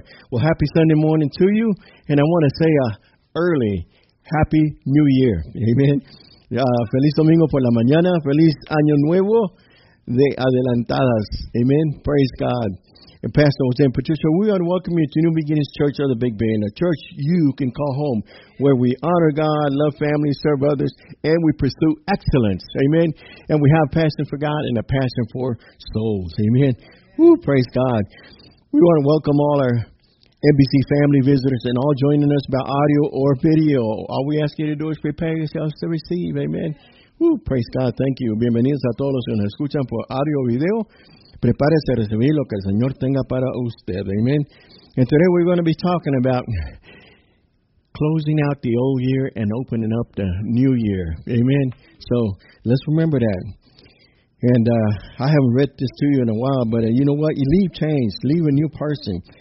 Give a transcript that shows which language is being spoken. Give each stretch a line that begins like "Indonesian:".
English: Well, happy Sunday morning to you. And I want to say early Happy New Year. Amen.
Spanish: Feliz domingo por la mañana. Feliz año nuevo de adelantadas.
English: Amen. Praise God. And Pastor Jose and Patricia, we want to welcome you to New Beginnings Church of the Big Bend, a church you can call home, where we honor God, love family, serve others, and we pursue excellence. Amen. And we have passion for God and a passion for souls. Amen. Woo, praise God. We want to welcome all our NBC family visitors and all joining us by audio or video. All we ask you to do is prepare yourselves to receive. Amen. Woo, praise God. Thank you.
Spanish: Bienvenidos a todos los que nos escuchan por audio o video. Prepárese a recibir lo que el Señor tenga para usted.
English: Amen. And today we're going to be talking about closing out the old year and opening up the new year. Amen. So let's remember that. And I haven't read this to you in a while, but you know what? You leave change. Leave a new person.